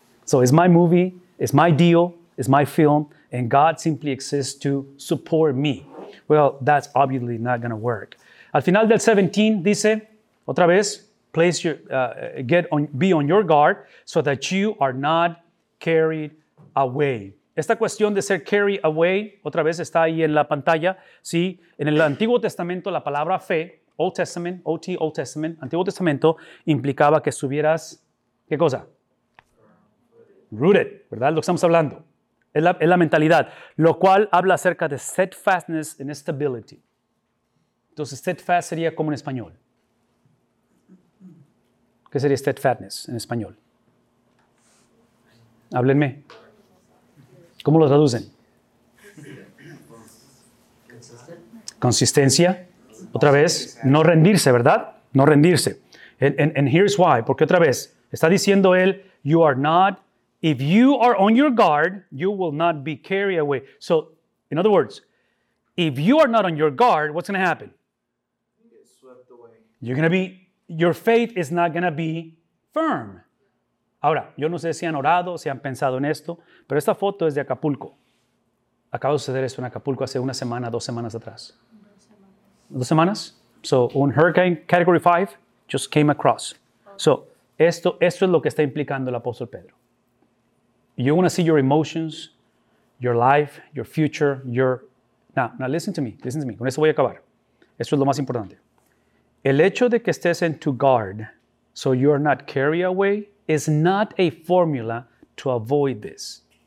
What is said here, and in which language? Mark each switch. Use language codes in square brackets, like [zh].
[en] So it's my movie, it's my deal, it's my film, and God simply exists to support me. Well, that's obviously not going to work. [es] Al final del 17 dice, otra vez, [en] place your, be on your guard so that you are not carried away. [es] Esta cuestión de ser carried away, otra vez está ahí en la pantalla. Sí, en el Antiguo Testamento la palabra fe, Old Testament, OT, Old Testament, Antiguo Testamento, implicaba que estuvieras, ¿qué cosa? Rooted, ¿verdad? Lo que estamos hablando. Es la mentalidad, lo cual habla acerca de [en] steadfastness and stability. [es] Entonces, steadfast sería como en español. ¿Qué sería steadfastness en español? Háblenme. ¿Cómo lo traducen? Consistencia. Otra vez, no rendirse, ¿verdad? No rendirse. [en] And here's why. [es] Porque otra vez, está diciendo él, [en] you are not, if you are on your guard, you will not be carried away. So, in other words, if you are not on your guard, what's going to happen? You're going to be, your faith is not going to be firm. [es] Ahora, yo no sé si han orado, si han pensado en esto, pero esta foto es de Acapulco. Acaba de suceder esto en Acapulco hace una semana, dos semanas atrás. ¿Dos semanas? So, un hurricane, Category 5, [en] just came across. [es] So, esto es lo que está implicando el apóstol Pedro. [en] You're going to see your emotions, your life, your future, your... Now, listen to me. [es] Con eso voy a acabar. Esto es lo más importante. El hecho de que estés en tu [en] guard, so you are not carried away, is not a formula to avoid this.